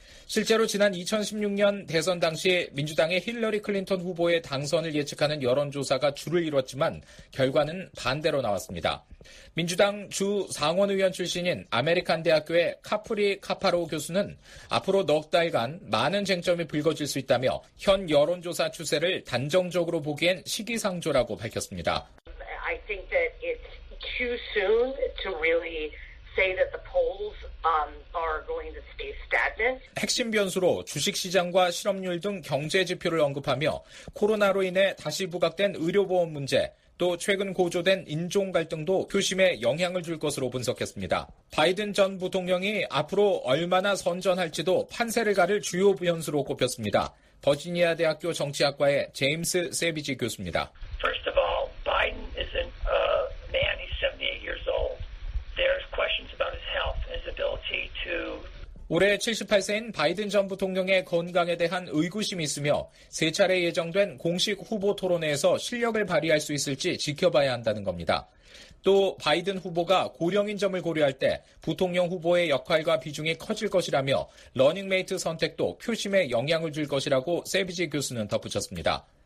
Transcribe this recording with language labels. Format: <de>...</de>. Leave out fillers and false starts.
<ko>실제로 지난 2016년 대선 당시 민주당의 힐러리 클린턴 후보의 당선을 예측하는 여론조사가 주를 이뤘지만 결과는 반대로 나왔습니다. 민주당 주 상원의원 출신인 아메리칸 대학교의 카프리 카파로 교수는 앞으로 넉 달간 많은 쟁점이 불거질 수 있다며 현 여론조사 추세를 단정적으로 보기엔 시기상조라고 밝혔습니다.</ko> <en>I think that it's too soon to really say that the polls are going to stay stagnant.</en> <ko>핵심 변수로 주식시장과 실업률 등 경제 지표를 언급하며 코로나로 인해 다시 부각된 의료보험 문제, 또 최근 고조된 인종 갈등도 표심에 영향을 줄 것으로 분석했습니다. 바이든 전 부통령이 앞으로 얼마나 선전할지도 판세를 가를 주요 변수로 꼽혔습니다. 버지니아 대학교 정치학과의 제임스 세비지 교수입니다.</ko> <en>First of all, Biden is a man. He's 78 years old. There's questions about his health and his ability to.</en> <ko>올해 78세인 바이든 전 부통령의 건강에 대한 의구심이 있으며 세 차례 예정된 공식 후보 토론회에서 실력을 발휘할 수 있을지 지켜봐야 한다는 겁니다. 또 바이든 후보가 고령인 점을 고려할 때 부통령 후보의 역할과 비중이 커질 것이라며 러닝메이트 선택도 표심에 영향을 줄 것이라고 세비지 교수는 덧붙였습니다.</ko>